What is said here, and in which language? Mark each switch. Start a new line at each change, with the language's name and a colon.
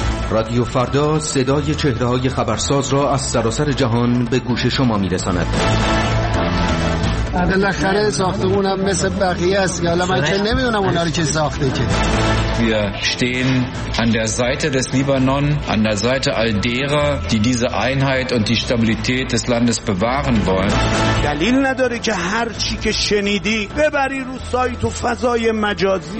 Persian: رادیو فردا صدای چهره‌های خبرساز را از سراسر جهان به گوش شما می‌رساند. عادل خره ساختمونم مثل بقیه است. حالا من که نمی‌دونم اونا رو چه ساخته که.
German: Wir stehen an der Seite des Libanon, an der Seite all derer, die diese Einheit und die Stabilität des Landes bewahren wollen.
Persian: دلیل نداره که هر چی که شنیدی ببری رو سایت و فضای مجازی.